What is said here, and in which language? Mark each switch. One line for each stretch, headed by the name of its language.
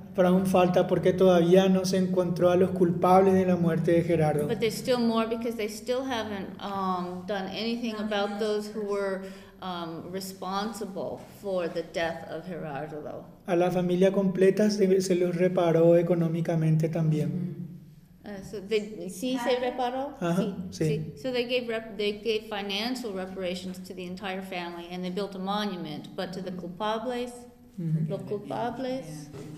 Spanish: Pero aún falta porque todavía no se encontró a los culpables de la muerte de Gerardo.
English: But there's still more because they still haven't done anything about those who were responsible for the death of Gerardo.
Spanish: A la familia completa se los reparó económicamente también. Se reparó. Sí.
English: So they gave financial reparations to the entire family and they built a monument, but to the culpables,
Spanish: los culpables.